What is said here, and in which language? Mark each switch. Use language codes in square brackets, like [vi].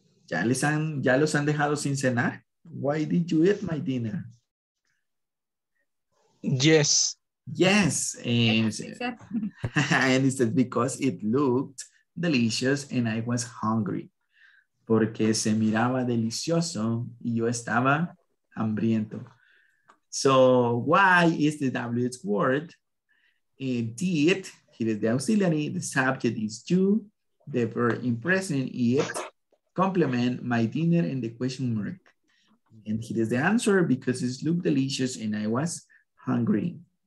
[es] Ya los han dejado sin cenar? [en] Why did you eat my dinner? Yes. Yes. And he said, because it looked delicious and I was hungry. [es] Porque se miraba delicioso y yo estaba hambriento. [en] So why is the WH word? Did, here is the auxiliary, the subject is you, the verb in present, it, complement, my dinner, and the question mark. And here is the answer, because it looked delicious and I was hungry.